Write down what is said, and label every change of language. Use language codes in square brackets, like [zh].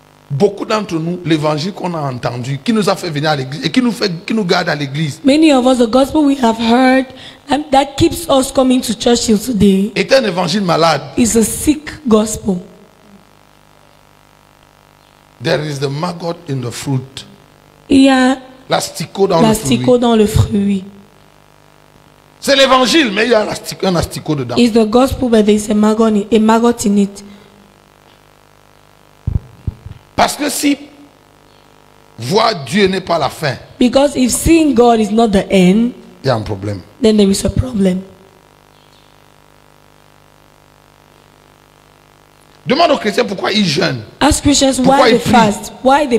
[fr] Beaucoup d'entre nous, l'évangile qu'on a entendu, qui nous a fait venir à l'église et qui nous garde à l'église. [en] Many of us, the gospel we have heard and that keeps us coming to church till today. [fr] Est un évangile malade. [en] Is a sick gospel. There is the maggot in the fruit. [fr] Il y a l'asticot dans le fruit. C'est l'évangile, mais il y a un asticot dedans. [en] Is the gospel, but there is a maggot in it. [fr] Parce que si voir Dieu n'est pas la fin, [en] because if seeing God is not the end, [fr] il y a un problème. [en] Then there is a problem. [fr] Demande aux chrétiens pourquoi ils jeûnent. [en] Ask Christians why they fast, why they pray,